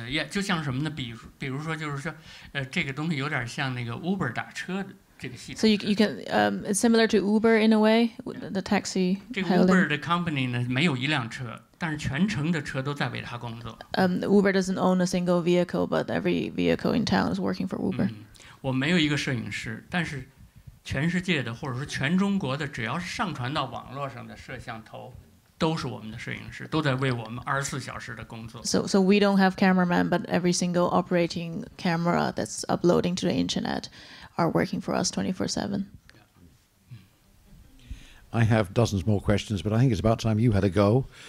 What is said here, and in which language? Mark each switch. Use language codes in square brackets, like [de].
[zh] 就像什么呢？比如说，这个东西有点像那个 Uber 打车的这个系统。 [en] So you can it's similar to Uber in a way, the taxi. [zh] 这个 Uber 的 company 呢，没有一辆车，但是全城的车都在为他工作。 [en] Uber doesn't own a single vehicle, but every vehicle in town is working for Uber. [zh] 我没有一个摄影师，但是全世界的或者说全中国的，只要是上传到网络上的摄像头。都是我们的摄影师，都在为我们24小时的工作。 [en] So we don't have cameramen, but every single operating camera that's uploading to the internet are working for us 24/7. I have dozens more questions, but I think it's about time you had a go.